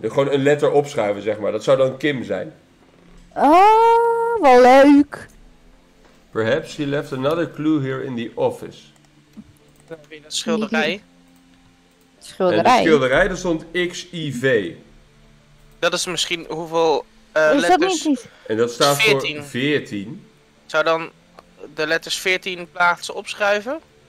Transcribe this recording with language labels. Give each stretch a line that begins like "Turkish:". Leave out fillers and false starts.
Dutch: Gewoon een letter opschuiven, zeg maar. Dat zou dan Kim zijn. Oh, wel leuk.
English: Perhaps he left another clue here in the office.
Dutch: Dan heb je een schilderij. Schilderij? En de schilderij, daar stond X-I-V. Dat is misschien hoeveel letters... En dat staat 14. Voor 14. Zou dan de letters 14 plaatsen opschuiven?